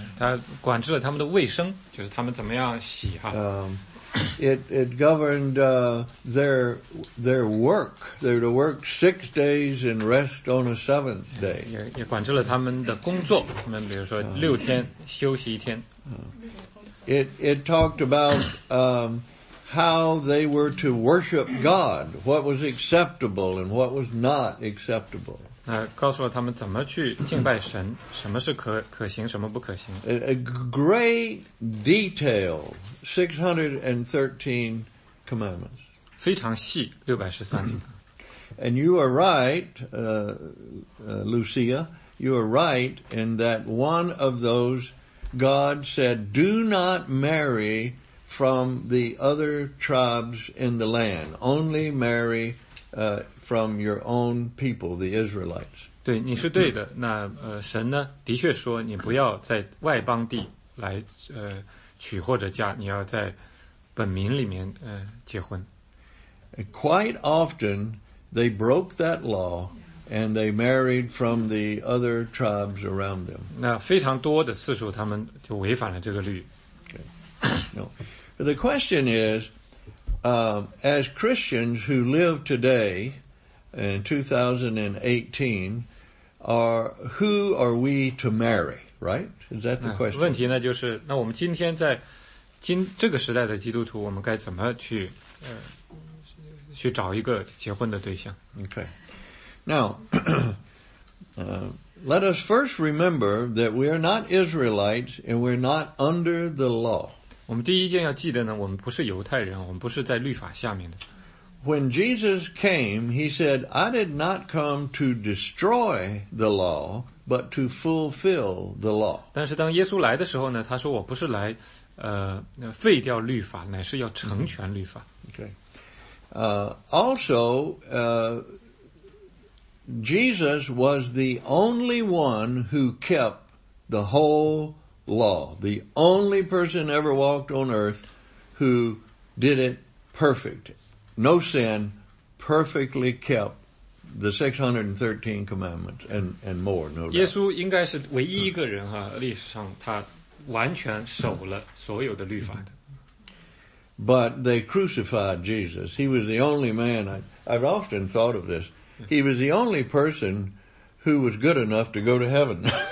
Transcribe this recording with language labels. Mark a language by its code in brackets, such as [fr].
[zh] 它管制了他们的卫生，就是他们怎么样洗哈。 [en] It governed their work. They were to work 6 days and rest on a seventh day. [zh] 也管制了他们的工作，他们比如说六天休息一天。 [en] It talked about how they were to worship God, what was acceptable and what was not acceptable. [zh] 那告诉了他们怎么去敬拜神，什么是可行，什么不可行。 [en] A great detail, 613 commandments. [zh] 非常细，613。 [en] And you are right, Lucia, you are right in that one of those God said, do not marry from the other tribes in the land. Only marry from your own people, the Israelites. [zh] 对，你是对的。那神呢，的确说你不要在外邦地来娶或者嫁，你要在本民里面结婚。 [en] Quite often, they broke that law. And they married from the other tribes around them. [zh] 那非常多的次数，他们就违反了这个律。 [en] No. The question is, as Christians who live today in 2018, who are we to marry? Right? Is that the question? [zh] 问题呢，就是那我们今天在这个时代的基督徒，我们该怎么去找一个结婚的对象 [en] ？Okay. Now, let us first remember that we are not Israelites and we're not under the law. [zh] 我们第一件要记得呢，我们不是犹太人，我们不是在律法下面的。 [en] When Jesus came, he said, I did not come to destroy the law, but to fulfill the law. [zh] 但是当耶稣来的时候呢，他说我不是来废掉律法，乃是要成全律法。 [en] Okay. Also, Jesus was the only one who kept the whole law. The only person ever walked on earth who did it perfect. No sin, perfectly kept the 613 commandments and more, no doubt. [zh] 耶稣应该是唯一一个人啊, 历史上他完全守了所有的律法的。 [en] But they crucified Jesus. He was the only man, I've often thought of this, he was the only person who was good enough to go to heaven.